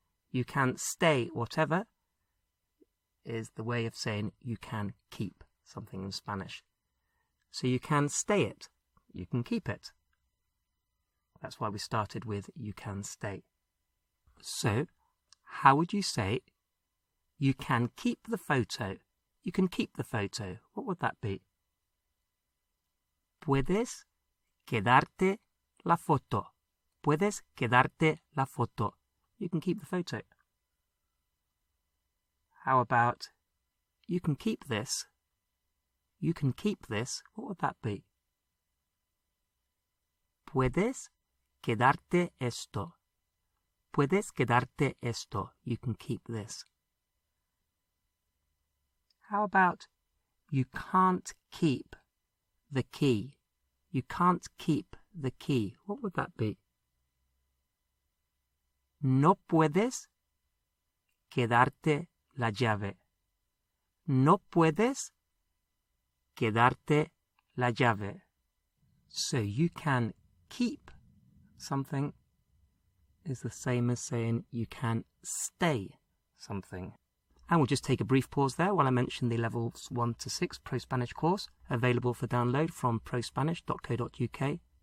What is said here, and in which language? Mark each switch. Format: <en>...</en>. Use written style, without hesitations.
<en>You can stay whatever is the way of saying you can keep something in Spanish. So you can stay it. You can keep it. That's why we started with you can stay. So, how would you say, you can keep the photo? You can keep the photo. What would that be?</en> <es>Puedes quedarte la foto. Puedes quedarte la foto.</es> <en>You can keep the photo. How about, you can keep this? You can keep this. What would that be?</en> <es>Puedes quedarte esto. Puedes quedarte esto.</es> <en>You can keep this. How about you can't keep the key? You can't keep the key. What would that be?</en> <es>No puedes quedarte la llave. No puedes quedarte la llave.</es> <en>So you can keep something is the same as saying you can stay something. And we'll just take a brief pause there while I mention the Levels 1 to 6 Pro Spanish course, available for download from prospanish.co.uk.</en>